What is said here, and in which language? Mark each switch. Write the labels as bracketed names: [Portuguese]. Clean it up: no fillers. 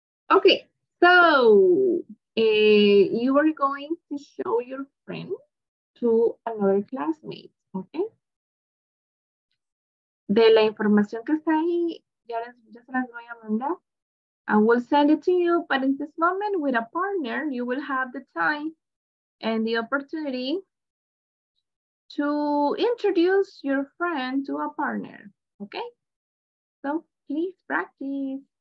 [English] Ok, so, you are going to show your friend to another classmate, ok? [Spanish] De la información que está ahí, ya se las voy a mandar. [English] I will send it to you, but in this moment with a partner, you will have the time and the opportunity to introduce your friend to a partner, okay? So please practice.